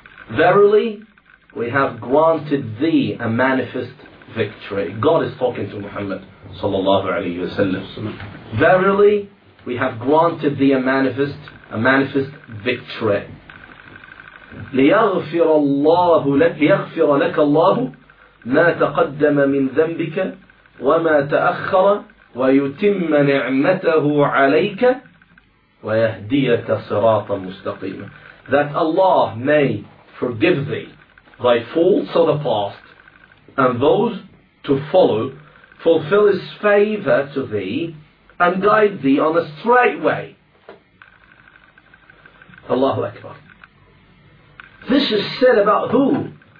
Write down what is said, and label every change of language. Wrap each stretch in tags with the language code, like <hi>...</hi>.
<en>Verily, we have granted thee a manifest victory. God is talking to Muhammad sallallahu alaihi wasallam. Verily, we have granted thee a manifest victory.</en> <ar>لِيَغْفِرَ لَكَ اللَّهُ ما تقدم من ذنبك وما تأخر ويتم نعمته عليك ويهديك صراطا مستقيما.</ar> <en>That Allah may forgive thee thy faults of the past and those to follow, fulfill his favor to thee and guide thee on a straight way. Allahu Akbar. This is said about who?</en>